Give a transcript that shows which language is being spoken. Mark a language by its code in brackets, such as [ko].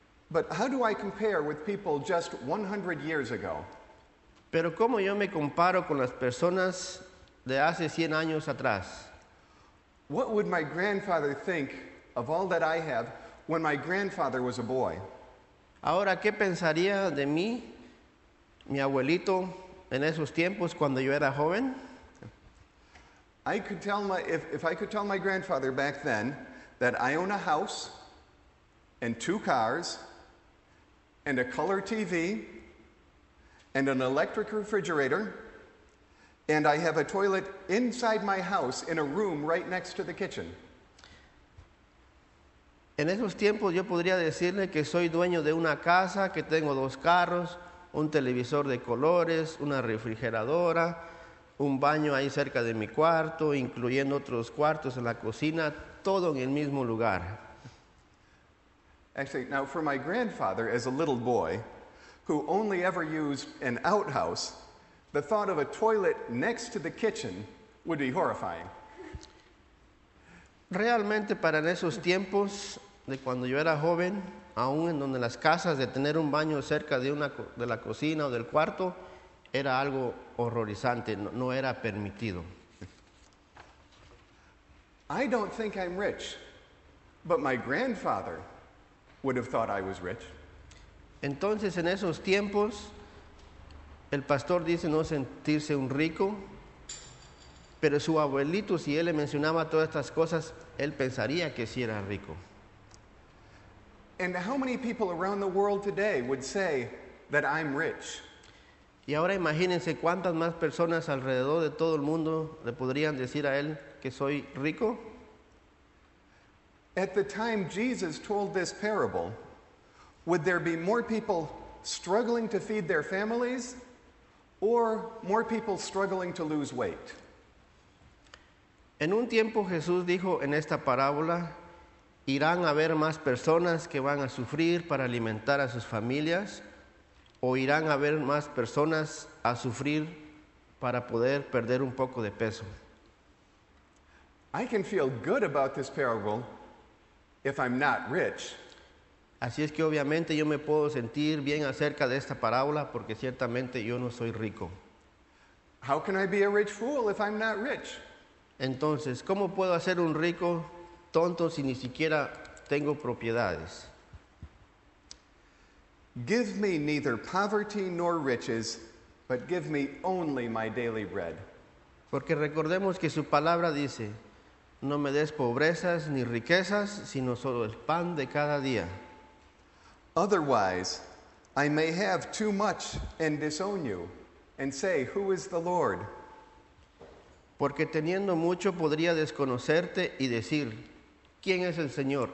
[en] But how do I compare with people just 100 years ago? [es] Pero ¿cómo yo me comparo con las personas de hace 100 años atrás. [en] What would my grandfather think of all that I have when my grandfather was a boy? [es] Ahora, ¿qué pensaría de mí mi abuelito en esos tiempos cuando yo era joven? [en] I could tell my if I could tell my grandfather back then that I own a house and two cars and a color TV and an electric refrigerator and I have a toilet inside my house in a room right next to the kitchen. [es] En esos tiempos yo podría decirle que soy dueño de una casa, que tengo dos carros, un televisor de colores, una refrigeradora, un baño ahí cerca de mi cuarto, incluyendo otros cuartos en la cocina, todo en el mismo lugar. [en] Actually, now for my grandfather, as a little boy, who only ever used an outhouse, the thought of a toilet next to the kitchen would be horrifying. [es] Realmente, para en esos tiempos de cuando yo era joven, aún en donde las casas de tener un baño cerca de una de la cocina o del cuarto era algo horrorizante, no era permitido. [en] I don't think I'm rich, but my grandfather would have thought I was rich. [es] Entonces, en esos tiempos, el pastor dice no sentirse un rico, pero su abuelito, si él le mencionaba todas estas cosas, él pensaría que sí era rico. [en] And how many people around the world today would say that I'm rich? [es] Y ahora imagínense cuántas más personas alrededor de todo el mundo le podrían decir a él que soy rico. [en] At the time Jesus told this parable, would there be more people struggling to feed their families or more people struggling to lose weight? [es] En un tiempo Jesús dijo en esta parábola, ¿irán a haber más personas que van a sufrir para alimentar a sus familias? ¿O irán a haber más personas a sufrir para poder perder un poco de peso? [en] I can feel good about this parable if I'm not rich. [es] Así es que obviamente yo me puedo sentir bien acerca de esta parábola porque ciertamente yo no soy rico. [en] How can I be a rich fool if I'm not rich? [es] Entonces, ¿cómo puedo hacer un rico tonto si ni siquiera tengo propiedades? [en] Give me neither poverty nor riches, but give me only my daily bread. [es] Porque recordemos que su palabra dice, no me des pobrezas ni riquezas, sino solo el pan de cada día. [en] Otherwise, I may have too much and disown you, and say, who is the Lord? [es] Porque teniendo mucho podría desconocerte y decir, ¿quién es el Señor?